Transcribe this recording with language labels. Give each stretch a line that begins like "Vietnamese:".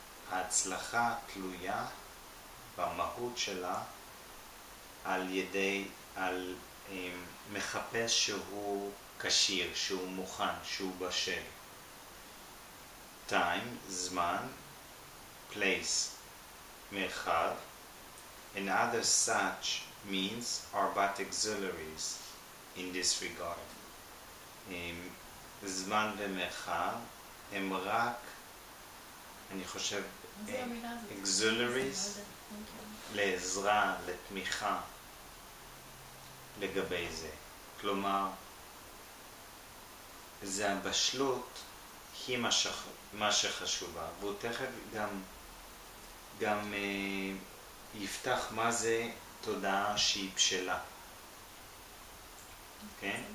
Hebrew: ההצלחה תלויה במהות שלה על ידי, על מחפש שהוא כשיר, שהוא מוכן, שהוא בשל.
English: Time, זמן, place, מרחב, and other such means are but auxiliaries in this regard.
Hebrew: זמן ומרחב הם רק, אני חושב, auxiliaries לעזרה, לתמיכה לגבי זה. כלומר, זה הבשלות היא מה שחשובה, והוא תכף גם יפתח מה זה תודעה שהיא בשלה, כן?